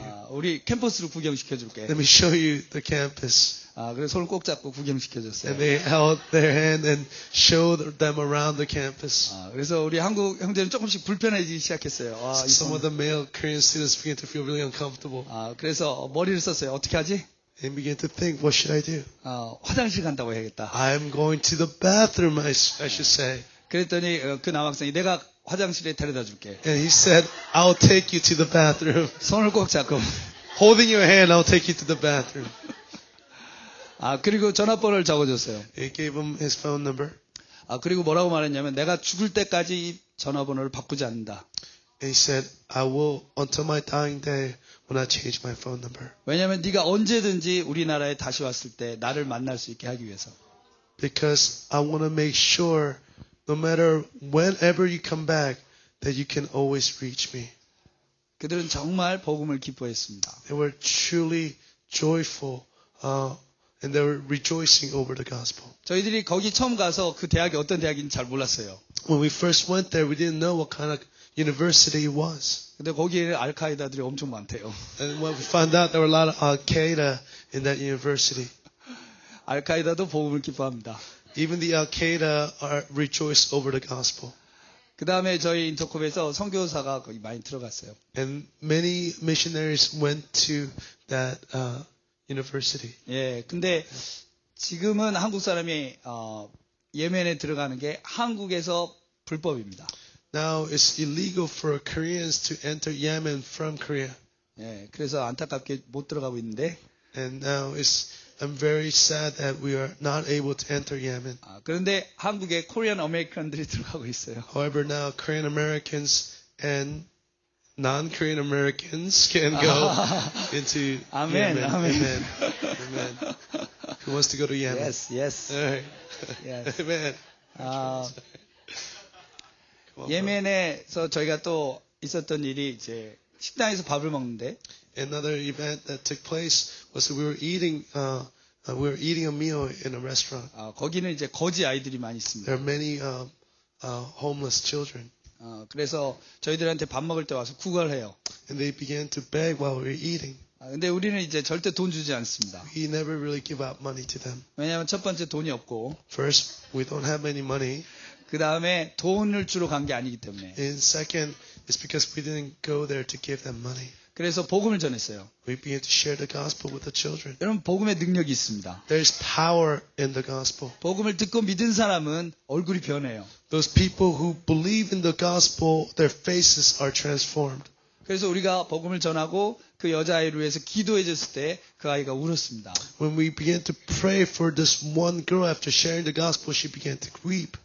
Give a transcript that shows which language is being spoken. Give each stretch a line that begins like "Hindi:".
Korean: 우리 캠퍼스로 구경시켜줄게.
English: Let me show you the campus.
Korean: 그래서 손을 꼭 잡고 구경시켜줬어요.
English: And they held their hand and showed them around the campus.
Korean: 그래서 우리 한국 형제는 조금씩 불편해지기 시작했어요.
English: Some of the male Korean students began to feel really uncomfortable.
Korean: 그래서 머리를 썼어요. 어떻게 하지?
English: And began to think, what should I do?
Korean: 화장실 간다고 해야겠다.
English: I'm going to the bathroom, I should say.
Korean: 그랬더니 그 남학생이 내가 화장실에 데려다 줄게.
English: And he said, I'll take you to the bathroom.
Korean: 손을 꼭 잡고.
English: Holding your hand, I'll take you to the bathroom.
Korean: 그리고 전화번호를 적어줬어요.
English: He gave him his phone number.
Korean: 그리고 뭐라고 말했냐면 내가 죽을 때까지 이 전화번호를 바꾸지 않는다.
English: And he said, I will until my dying day. When I change my phone number.
Korean: 왜냐하면 네가 언제든지 우리나라에 다시 왔을 때 나를 만날 수 있게 하기 위해서.
English: Because I want to make sure, no matter whenever you come back, that you can always reach me.
Korean: 그들은 정말 복음을 기뻐했습니다.
English: They were truly joyful, and they were rejoicing over the gospel.
Korean: 저희들이 거기 처음 가서 그 대학이 어떤 대학인지 잘 몰랐어요.
English: When we first went there, we didn't know what kind of university it was.
Korean: 근데 거기에 알카이다들이 엄청 많대요.
English: And when we found out there were a lot of Al-Qaeda in that university.
Korean: 알카이다도 복음을 기뻐합니다.
English: Even the Al-Qaeda rejoice over the gospel.
Korean: 그다음에 저희 인터콥에서 선교사가 거기 많이 들어갔어요.
English: And many missionaries went to that university.
Korean: 예. 근데 지금은 한국 사람이 예멘에 들어가는 게 한국에서 불법입니다.
English: Now it's illegal for Koreans to enter Yemen from Korea.
Korean: 예, 그래서 안타깝게 못 들어가고 있는데.
English: And now it's I'm very sad that we are not able to enter Yemen. 아, 그런데 한국에 코리안 아메리칸들이 들어가고 있어요. However, now Korean Americans and non-Korean Americans can go into Amen. Yemen. Amen. Amen. Amen. Who wants to go to Yemen? Yes, yes. All right. Yes. Amen.
Korean: 아, 예멘에서 저희가 또 있었던 일이 이제 식당에서 밥을 먹는데.
English: Another event that took place was that we were eating a meal in a restaurant.
Korean: 아, 거기는 이제 거지 아이들이 많이 있습니다.
English: There are many homeless children.
Korean: 아, 그래서 저희들한테 밥 먹을 때 와서 구걸 해요.
English: And they began to beg while we were eating.
Korean: 아, 근데 우리는 이제 절대 돈 주지 않습니다.
English: We never really give out money to them.
Korean: 왜냐하면 첫 번째 돈이 없고.
English: First, we don't have any money.
Korean: 그 다음에 돈을 주러 간 게 아니기 때문에.
English: And second, it's because we didn't go there to give them money.
Korean: 그래서 복음을 전했어요.
English: We began to share the gospel with the children.
Korean: 여러분 복음의 능력이 있습니다.
English: There's power in the gospel.
Korean: 복음을 듣고 믿은 사람은 얼굴이 변해요.
English: Those people who believe in the gospel, their faces are transformed.
Korean: 그래서 우리가 복음을 전하고 그 여자아이를 위해서 기도해 줬을 때 그 아이가 울었습니다.
English: When we began to pray for this one girl after sharing the gospel, she began to weep.